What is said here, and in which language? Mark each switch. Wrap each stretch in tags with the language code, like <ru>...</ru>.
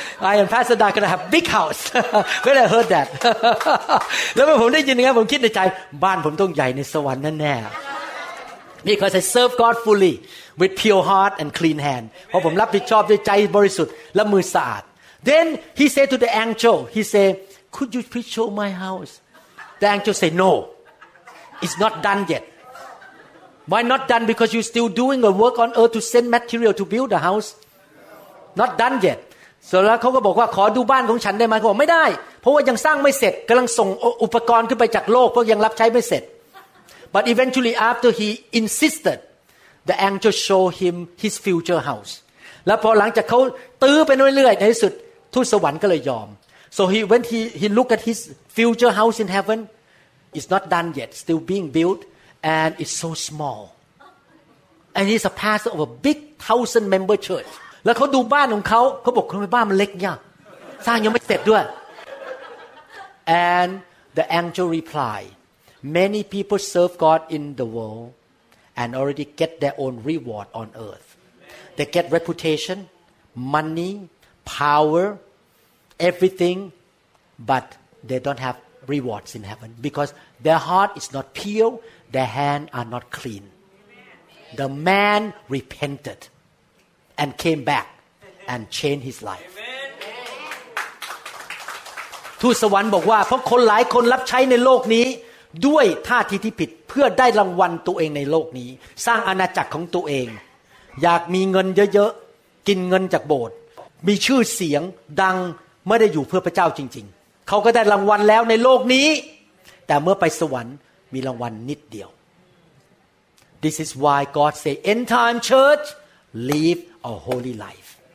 <en>I am Pastor Da gonna have big house When I heard that</en> <th>แล้วเมื่อผมได้ยินอย่างนั้นผมคิดในใจบ้านผมต้องใหญ่ในสวรรค์แน่ๆ</th> <en>Because I serve God fully with pure heart and clean hand</en> <th>เพราะผมรับผิดชอบด้วยใจบริสุทธิ์และมือสะอาด</th> <en>Then he said to the angel he said could you please show my house The angel said noIt's not done yet. Why not done? Because you're still doing a work on earth to send material to build the house. Not done yet. So then he said, "Can you see my house?" I said, "No, because I'm still building it. I'm trying to send equipment up from the world because I'm still not done." But eventually, after he insisted, the angel showed him his future house. And after that, he kept on building it. In the end, heaven agreed. So he looked at his future house in heaven. It's not done yet, still being built, and it's so small. And he's a pastor of a big 1,000-member church.</en> <th>แล้วเขาดูบ้านของเขาเขาบอกทำไมบ้านมันเล็กเนี่ยสร้างยังไม่เสร็จด้วย</th> <en>And the angel replied, "Many people serve God in the world, and already get their own reward on earth. They get reputation, money, power, everything, but they don't have." Rewards in heaven because their heart is not pure, their hands are not clean. The man repented and came back and changed his life.</en> <th>ทูตสวรรค์บอกว่าเพราะคนหลายคนรับใช้ในโลกนี้ด้วยท่าทีที่ผิดเพื่อได้รางวัลตัวเองในโลกนี้สร้างอาณาจักรของตัวเองอยากมีเงินเยอะๆกินเงินจากโบสถ์มีชื่อเสียงดังไม่ได้อยู่เพื่อพระเจ้าจริงๆเขาก็ได้รางวัลแล้วในโลกนี้แต่เมื่อไปสวรรค์มีรางวัลนิดเดียว</th> <en>This is why God say end time church live a holy life</en>